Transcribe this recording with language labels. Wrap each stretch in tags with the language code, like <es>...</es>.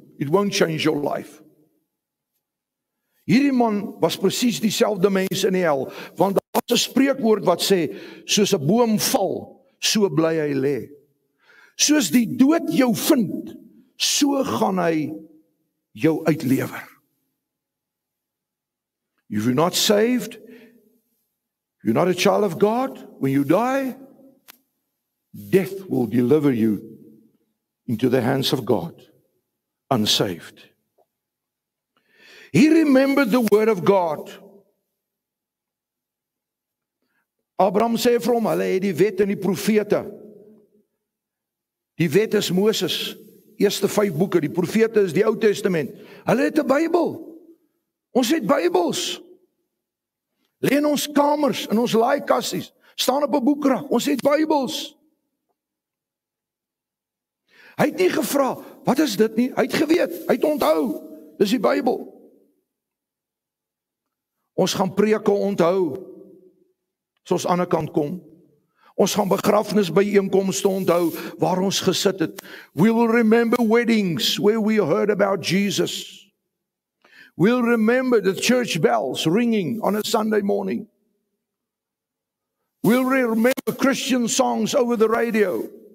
<en>It won't change your life.</en> <af>Hierdie man was precies dieselfde mens in die hel, want daar was 'n spreekwoord wat sê, soos 'n boom val, so bly hy lê. Soos die dood jou vind, so gaan hy jou uitlewer.</af> <en>If you're not saved, you're not a child of God, when you die, death will deliver you into the hands of God, unsaved. He remembered the word of God.</en> <af>Abraham sê vir hom, hulle het die wet en die profete. Die wet is Moses, eerste 5 boeken, die profete is die Ou Testament. Hulle het die Bybel. Ons het Bybels. Leen ons kamers en ons laaikassies, staan op 'n boekrak. Ons het Bybels. Hy het nie gevra, wat is dit nie? Hy het geweet, hy het onthou, dis die Bybel. Ons gaan preke onthou, soos aan die kant kom. Ons gaan begrafnis bijeenkomste onthou, waar ons gesit het.</af> <en>We will remember weddings, where we heard about Jesus. We'll remember the church bells ringing on a Sunday morning. We'll remember Christian songs over the radio.</en>